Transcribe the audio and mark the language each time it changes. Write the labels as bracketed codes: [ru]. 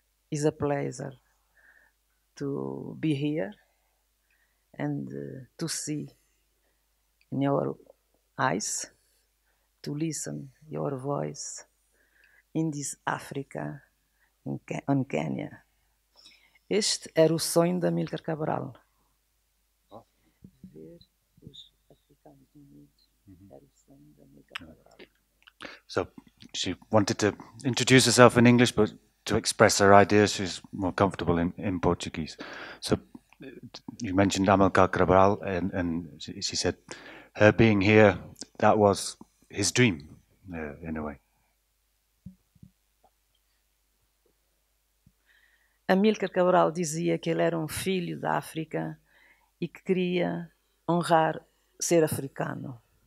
[en] It's a pleasure to be here and to see in your eyes, to listen your voice in this Africa, in Kenya. [pt] Este era o sonho da Amílcar Cabral. Ver os africanos unidos era o sonho da Amílcar Cabral. [en] So she wanted to introduce herself in English, but to express her ideas, she's more comfortable in Portuguese. So you mentioned Amílcar Cabral, and she said her being here, that was his dream, in a way. [pt] Amílcar Cabral dizia que ele era filho da África e que queria honrar ser africano.